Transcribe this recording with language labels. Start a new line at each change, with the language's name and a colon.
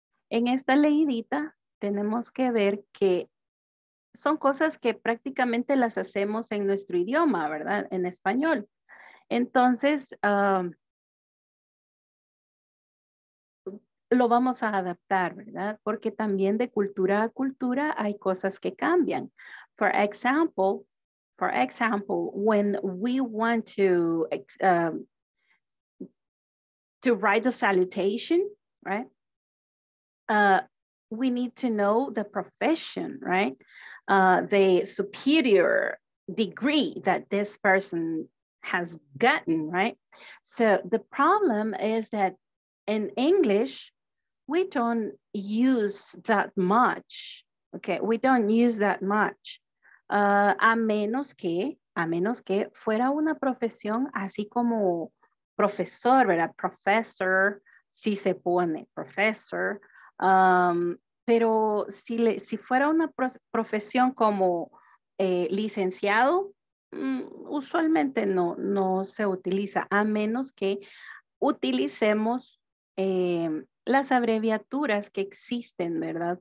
Spanish: En esta leídita tenemos que ver que son cosas que prácticamente las hacemos en nuestro idioma, ¿verdad? En español. Entonces, lo vamos a adaptar, ¿verdad? Porque también de cultura a cultura hay cosas que cambian.
English: For example, when we want to write a salutation, right? we need to know the profession, right? The superior degree that this person has gotten, right? So the problem is that in English, we don't use that much, okay? We don't use that much.
Spanish: A menos que fuera una profesión, así como profesor, ¿verdad? Professor, si se pone professor. Pero si fuera una profesión como licenciado, usualmente no se utiliza, a menos que utilicemos las abreviaturas que existen, ¿verdad?